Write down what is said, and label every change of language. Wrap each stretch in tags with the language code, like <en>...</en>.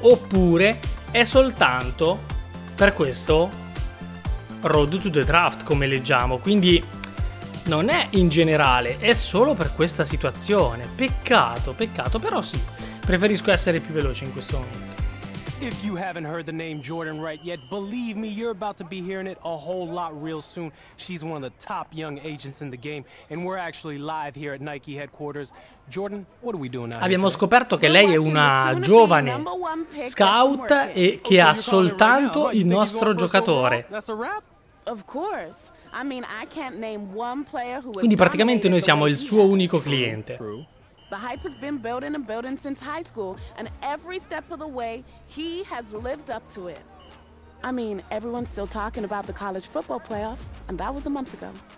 <it>Oppure è soltanto per questo Road to the Draft, come leggiamo. Quindi non è in generale, è solo per questa situazione. Peccato, peccato, però sì, preferisco essere più veloce in questo momento.</it> <en>If you haven't heard the name Jordan Wright yet, believe me, you're about to be hearing it a whole lot real soon. She's one of the top young agents in the game, and we're actually live here at Nike headquarters. Jordan, what are we doing out here?</en> <it>Abbiamo scoperto che lei è una giovane scout e che ha soltanto il nostro giocatore.</it> <en>That's a wrap? Of course. I mean, I can't name one player who is.</en> <it>Quindi praticamente noi siamo il suo unico cliente.</it> <en>True. The hype has been building and building since high school, and every step of the way, he has lived up to it. I mean, everyone's still talking about the college football playoff, and that was a month ago.</en>